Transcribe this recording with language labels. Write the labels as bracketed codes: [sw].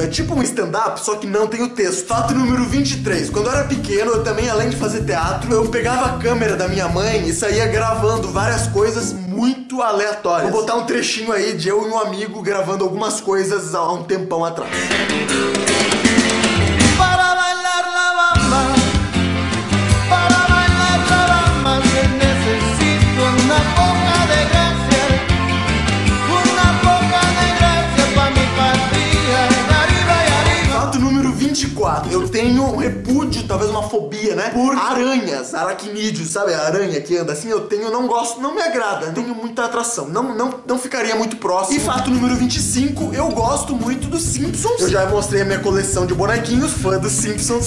[pt] É tipo um stand-up, só que não tem o texto. Fato número 23. Quando eu era pequeno, eu também, além de fazer teatro, eu pegava a câmera da minha mãe e saía gravando várias coisas muito aleatórias. Vou botar um trechinho aí de eu e um amigo gravando algumas coisas há um tempão atrás. [es] Para bailar la bamba, para bailar la bamba, se necesito una poca de gracia, una poca de gracia pa mi patria, arriba y arriba. [pt] Fato número 24. Eu tenho um repúdio, talvez uma fobia, né? Por aranhas, aracnídeos, sabe? A aranha que anda assim, eu tenho, não gosto, não me agrada. Tenho muita atração, não ficaria muito próximo. E fato número 25, eu gosto muito dos Simpsons. Eu já mostrei a minha coleção de bonequinhos, fã dos Simpsons.